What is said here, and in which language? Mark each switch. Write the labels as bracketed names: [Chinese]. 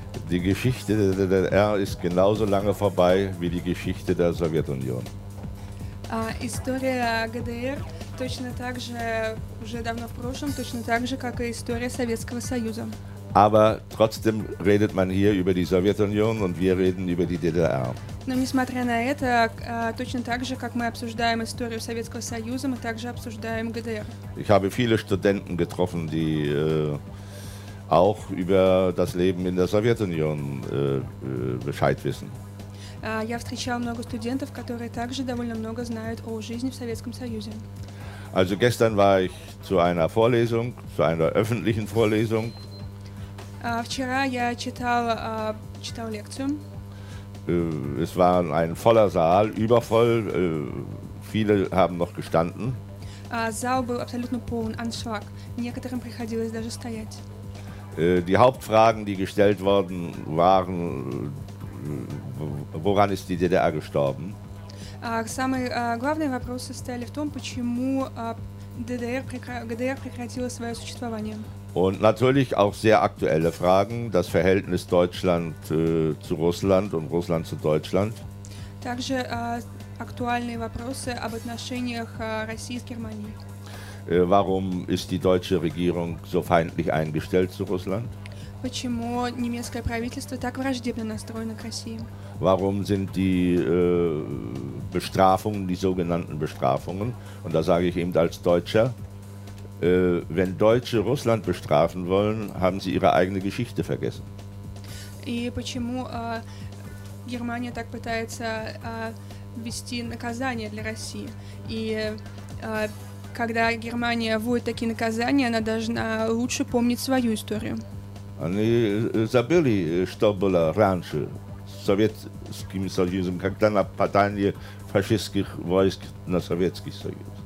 [German] Die Geschichte der DDR ist genauso lange vorbei wie die Geschichte der Sowjetunion. [Russian] История ГДР точно так же уже давно в прошлом, точно так же, как и история Советского Союза. [German] Aber trotzdem redet man hier über die Sowjetunion und wir reden über die DDR. [Russian] Но несмотря на это, точно так же, как мы обсуждаем историю Советского Союза, мы также обсуждаем ГДР. [German] Ich habe viele Studenten getroffen, die auch über das Leben in der Sowjetunion Bescheid wissen. [Russian] Я встречал много студентов, которые также довольно много знают о жизни в Советском Союзе. [German] Also gestern war ich zu einer Vorlesung, zu einer öffentlichen Vorlesung. [Russian] Вчера я читал лекцию. [German] Es war ein voller Saal, übervoll, viele haben noch gestanden. [Russian] Зал был абсолютно полон, Anschlag. Некоторым приходилось даже стоять. [German] Die Hauptfragen, die gestellt wurden, waren, woran ist die DDR gestorben? [Russian] Самые главные вопросы стояли в том, почему ГДР прекратила свое существование. [German] Und natürlich auch sehr aktuelle Fragen, das Verhältnis Deutschland zu Russland und Russland zu Deutschland. [Russian] Также актуальные вопросы об отношениях России с Германией. [German] Warum ist die deutsche Regierung so feindlich eingestellt zu Russland? [Russian] Почему немецкое правительство так враждебно настроено к России? [German] Warum sind die Bestrafungen, die sogenannten Bestrafungen, und da sage ich eben als Deutscher, wenn Deutsche Russland bestrafen wollen, haben sie ihre eigene Geschichte vergessen. [Russian] И почему Германия так пытается ввести наказание для России? И когда Германия вводит такие наказания, она должна лучше помнить свою историю. Они забыли, что было раньше с Советским Союзом, когда нападание фашистских войск на Советский Союз.